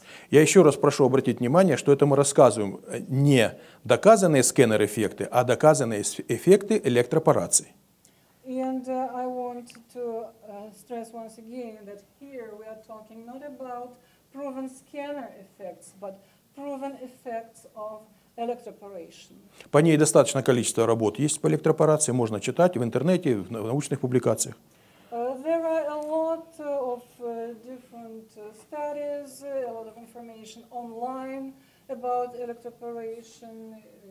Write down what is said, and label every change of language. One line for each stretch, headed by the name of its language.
Russian: Я еще раз прошу обратить внимание, что это мы рассказываем не доказанные сканер-эффекты, а доказанные эффекты электропорации.
English: And I want to stress once again that here we are talking not about proven scanner effects, but proven effects of electroporation.
Russian: По ней достаточно количество работ есть по электропорации, можно читать в интернете, в научных публикациях.
English: There are a lot of different studies, a lot of information online about electroporation.